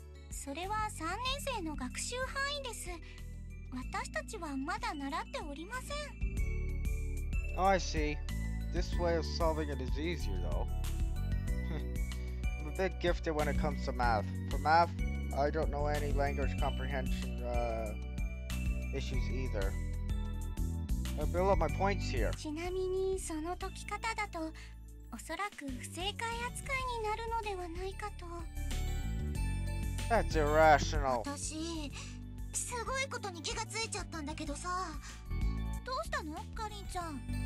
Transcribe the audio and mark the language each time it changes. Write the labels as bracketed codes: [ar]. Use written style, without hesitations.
[ja] それは3年生の学習範囲です。私たちはまだ習っておりません。 [en] Oh, I see. This way of solving it is easier though. I'm a bit gifted when it comes to math. For math, I don't know any language comprehension issues either. I build up my points here. [ja] ちなみにその解き方だとおそらく不正解扱いになるのではないかと。 [en] That's irrational. [ja] 私、すごいことに気がついちゃったんだけどさ。どうしたの、カリンちゃん。